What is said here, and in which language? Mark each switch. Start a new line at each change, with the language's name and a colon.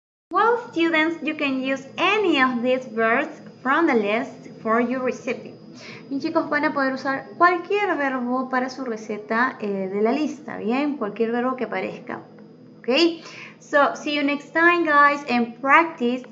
English: Well, students, you can use any of these verbs from the list for your recipe.
Spanish: Y chicos, van a poder usar cualquier verbo para su receta de la lista, ¿bien? Cualquier verbo que aparezca, ¿ok?
English: So, see you next time, guys, and practice.